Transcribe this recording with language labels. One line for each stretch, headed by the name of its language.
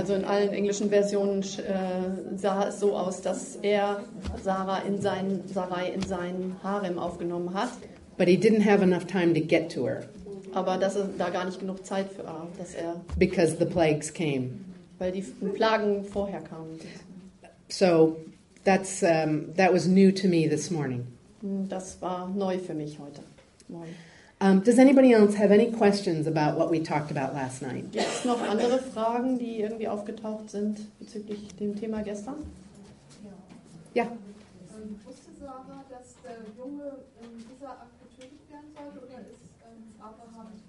German: Also in allen englischen Versionen sah es so aus, dass er Sarai in seinen Harem aufgenommen hat.
English: But he didn't have enough time to get to her.
German: Aber dass er da gar nicht genug Zeit für war, dass er...
English: Because the plagues came.
German: Weil die Plagen vorher kamen.
English: So, that's that was new to me this morning.
German: Das war neu für mich heute.
English: Does anybody else have any questions about what we talked about last night?
German: Gibt es noch andere Fragen, die irgendwie aufgetaucht sind bezüglich dem Thema gestern? Ja. Ja. Wusste Sarah, dass der Junge in dieser Akt getötet werden sollte, oder ist